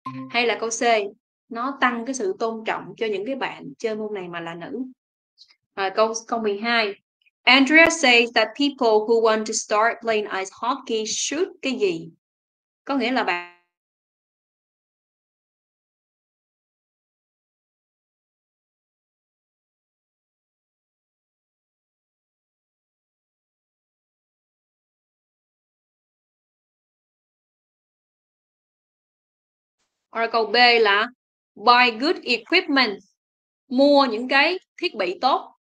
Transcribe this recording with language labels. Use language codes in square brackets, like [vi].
[vi] Hay là câu C, nó tăng cái sự tôn trọng cho những cái bạn chơi môn này mà là nữ. Rồi câu câu 12. [en] Andrea says that people who want to start playing ice hockey should [vi] cái gì? Có nghĩa là bạn Rồi câu B là [en] buy good equipment, [vi] mua những cái thiết bị tốt.